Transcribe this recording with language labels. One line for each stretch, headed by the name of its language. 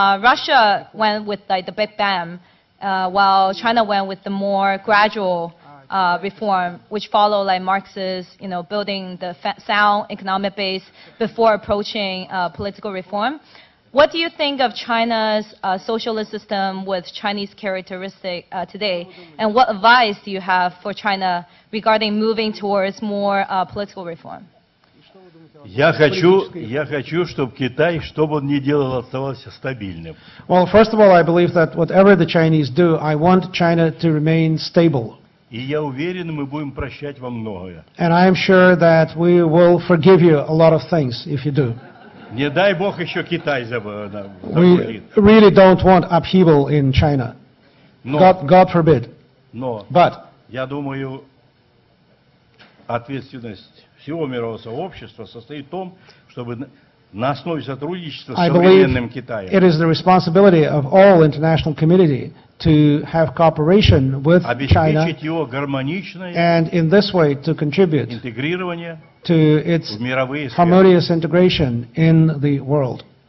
English: Russia went with the big bang, while China went with the more gradual reform, which follow like Marx's, you know, building the sound economic base before approaching political reform. What do you think of China's socialist system with Chinese characteristic today? And what advice do you have for China regarding moving towards more political reform?
Russian: Я хочу, чтобы Китай, что бы он ни делал, оставался стабильным.
English: Well, first of all, I believe that whatever the Chinese do, I want China to remain stable.
Russian: И я уверен, мы будем прощать вам многое.
English: And I am sure that we will forgive you a lot of things if you do.
Russian: Не дай бог еще Китай забудет.
English: We really don't want upheaval in China. God forbid. But
Russian: я думаю, ответственность всего мирового сообщества состоит в том, чтобы на основе сотрудничества с современным Китаем.
English: It is the responsibility of all international community to have cooperation with China and in this way to contribute to its harmonious integration in the world.